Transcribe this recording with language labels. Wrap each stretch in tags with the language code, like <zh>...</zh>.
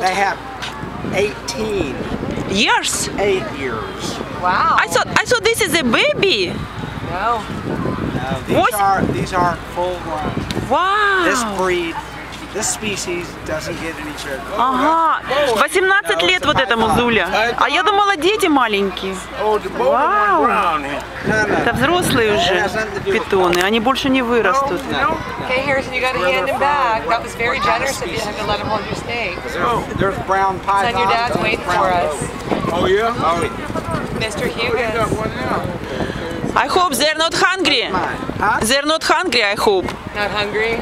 <en>They have 18 years. 8 years. Wow. I thought this is a baby. No. These are full grown. Wow. This breed. This species doesn't get any children.</en> <ru>Ага, 18 лет вот этому зуля. А я думала, дети маленькие. Вау. Это взрослые уже питоны, они больше не вырастут.</ru> <en>Okay, Harrison, you got a hand him back. That was very generous of you to let him hold your snake. There's brown python. It's on your dad's waiting for us. Oh yeah? Mr. Hugues. I hope they're not hungry. Huh? They're not hungry, I hope. Not hungry?</en>